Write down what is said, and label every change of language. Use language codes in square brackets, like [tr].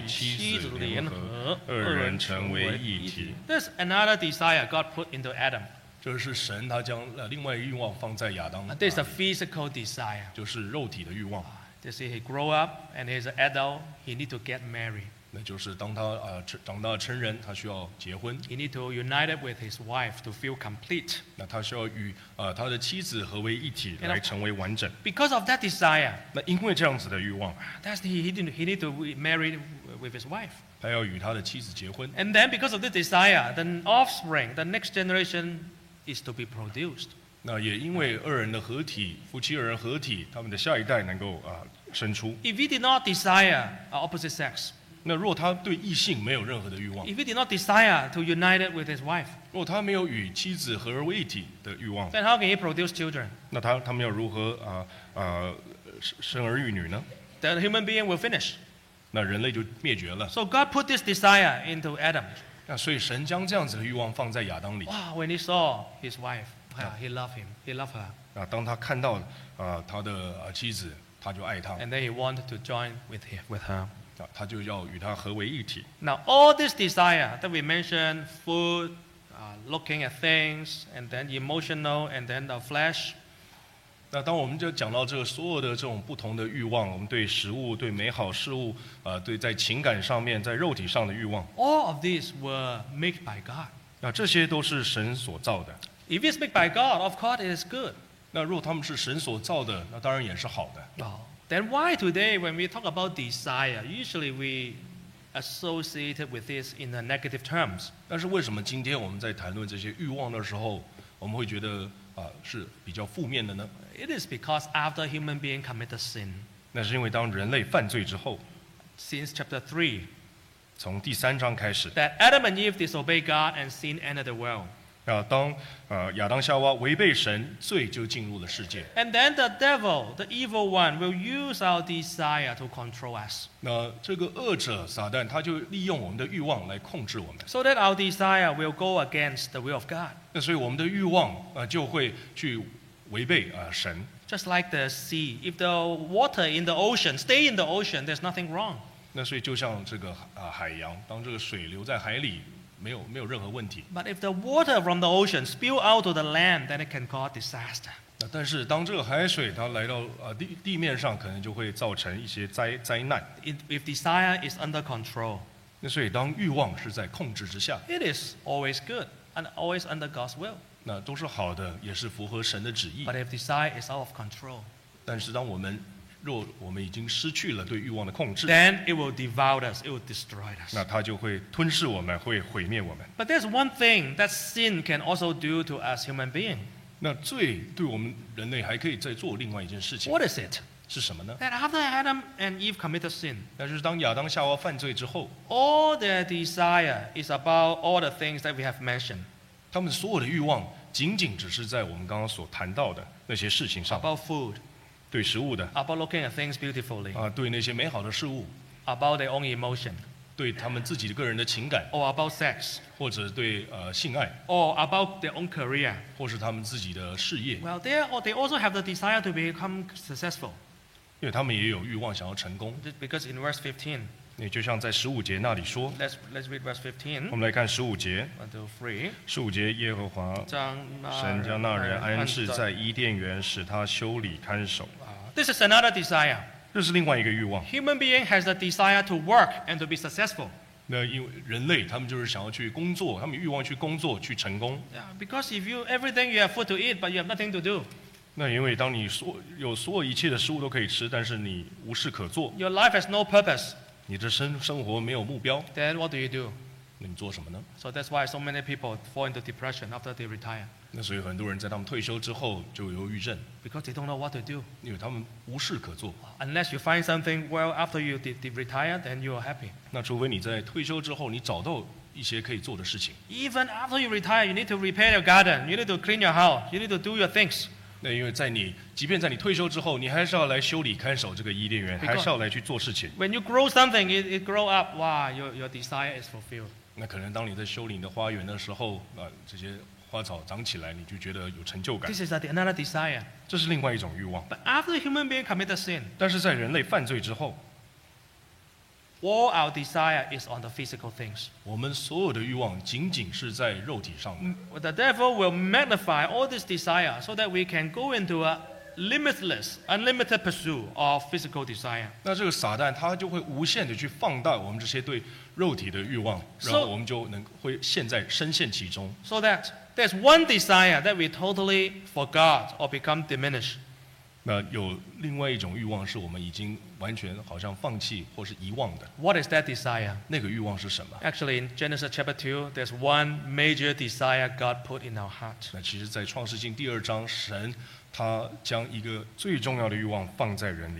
[zh] 因此人要离开父母，与妻子联合，二人成为一体。 [en] That's another desire God put into Adam. [zh] 这是神他将另外欲望放在亚当。 [en] That's a physical desire. [zh] 就是肉体的欲望。 [en] They say he grow up and he's an adult, he need to get married. [zh] 那就是当他, 长大成人, 他需要结婚。 [en] He need to unite with his wife to feel complete. [zh] 那他需要与, 他的妻子合为一体, 来成为完整。 [en] Because of that desire, [zh] 那因为这样子的欲望, [en] that's he need to marry with his wife. [zh] 他要与他的妻子结婚。 [en] And then because of the desire, the offspring, the next generation is to be produced. [zh] 那也因为二人的合体, 夫妻二人合体, 他们的下一代能够, 生出。 [en] If he did not desire our opposite sex, [zh] 那若他对异性没有任何的欲望, [en] if he did not desire to unite with his wife, [zh] 若他没有与妻子合而为一体的欲望, [en] then how can he produce children? [zh] 那他们要如何, 生儿育女呢? [en] Then the human being will finish. [zh] 那人类就灭绝了。 [en] So God put this desire into Adam. [zh] 那所以神将这样子的欲望放在亚当里。 [en] Wow, when he saw his wife, he loved him, he loved her. [zh] 那当他看到, 他的, 妻子, 他就爱她。 [en] And then he wanted to join with him, with her. [zh] 他就要与他合为一体。 [en] Now all this desire that we mentioned, food, looking at things, and then emotional, and then the flesh. [zh] 那当我们就讲到这个所有的这种不同的欲望, 我们对食物, 对美好事物, 对在情感上面, 在肉体上的欲望。 [en] All of these were made by God. [zh] 那这些都是神所造的。 [en] If it's made by God, of course it is good. [zh] 那若他们是神所造的, 那当然也是好的。 Oh. [en] Then why today when we talk about desire, usually we associate with this in the negative terms? [zh] 但是为什么今天我们在谈论这些欲望的时候, 我们会觉得, 是比较负面的呢? [en] It is because after human being committed sin. [zh] 那是因为当人类犯罪之后, [en] since chapter 3, [zh] 从第三章开始, [en] that Adam and Eve disobeyed God and sin entered the world. [zh] 亚当, 亚当夏娃违背神, 罪就进入了世界。 [en] And then the devil, the evil one, will use our desire to control us. [zh] 那这个恶者, 撒旦, 他就利用我们的欲望来控制我们。 [en] So that our desire will go against the will of God. [zh] 那所以我们的欲望, 就会去违背, 神。 [en] Just like the sea, if the water in the ocean stay in the ocean, there's nothing wrong. [zh] 那所以就像这个, 海洋, 当这个水留在海里, 没有任何问题。 [en] But if the water from the ocean spill out to the land, then it can cause disaster. [zh] 但是当这个海水它来到 地面上, 可能就会造成一些灾难。 [en] If desire is under control, [zh] 那所以当欲望是在控制之下, [en] it is always good and always under God's will. [zh] 那都是好的, 也是符合神的旨意。 [en] But if desire is out of control, [zh] 但是当我们 若我们已经失去了对欲望的控制, [en] then it will devour us, it will destroy us. [zh] 那它就会吞噬我们, 会毁灭我们。 [en] But there's one thing that sin can also do to us human beings. [zh] 那罪对我们人类还可以再做另外一件事情。 [en] What is it? [zh] 是什么呢? [en] That after Adam and Eve committed sin, [zh] 那就是当亚当夏娃犯罪之后, [en] all their desire is about all the things that we have mentioned. [zh] 他们所有的欲望, 仅仅只是在我们刚刚所谈到的那些事情上。 [en] About food, [zh] 对食物的, [en] about looking at things beautifully, [zh] 对那些美好的事物, [en] about their own emotion, [zh] 对他们自己个人的情感, [en] or about sex, [zh] 或者对, 性爱, [en] or about their own career, [zh] 或是他们自己的事业, [en] well, they also have the desire to become successful, [zh] 因为他们也有欲望想要成功, [en] because in verse 15, [zh] 也就像在十五节那里说。 [en] Let's read verse 15. [zh] 我们来看十五节。 [en] One, two, three. [zh] 十五节，耶和华神将那人安置在伊甸园，使他修理看守。 [en] This is another desire. [zh] 这是另外一个欲望。 [en] Human being has a desire to work and to be successful. [zh] 那因为人类他们就是想要去工作，他们欲望去工作去成功。 [en] Yeah, because if you everything you have food to eat, but you have nothing to do. [zh] 那因为当你所有所有一切的食物都可以吃，但是你无事可做。 [en] Your life has no purpose. [zh] 你的生活没有目标。 [en] Then what do you do? [zh] 那你做什么呢 [en] ？So that's why so many people fall into depression after they retire. [zh] 那所以很多人在他们退休之后就有忧郁症。 [en] Because they don't know what to do. [zh] 因为他们无事可做。 [en] Unless you find something well after you retire, then you are happy. [zh] 那除非你在退休之后你找到一些可以做的事情。 [en] Even after you retire, you need to repair your garden. You need to clean your house. You need to do your things. [zh] 那因为在你，即便在你退休之后，你还是要来修理看守这个伊甸园， [en] Because、 [zh] 还是要来去做事情。 [en] When you grow something, it grow up. Wow, your desire is fulfilled. [zh] 那可能当你在修理你的花园的时候，啊，这些花草长起来，你就觉得有成就感。 [en] This is another desire. [zh] 这是另外一种欲望。 [en] But after human being commit a sin, [zh] 但是在人类犯罪之后 [en] ，all our desire is on the physical things. [zh] 我们所有的欲望仅仅是在肉体上的。 [en] The devil will magnify all this desire so that we can go into a limitless, unlimited pursuit of physical desire. [zh] 那这个撒旦他就会无限的去放大我们这些对肉体的欲望，然后我们就能会陷在深陷其中。 [en] So that there's one desire that we totally forgot or become diminished. [zh] 那有另外一种欲望是我们已经完全好像放弃或是遗忘的。 [en] What is that desire? [zh] 那个欲望是什么 [en] ？Actually, in Genesis chapter 2, there's one major desire God put in our heart. [zh] 那其实，在创世纪第二章，神他将一个最重要的欲望放在人里。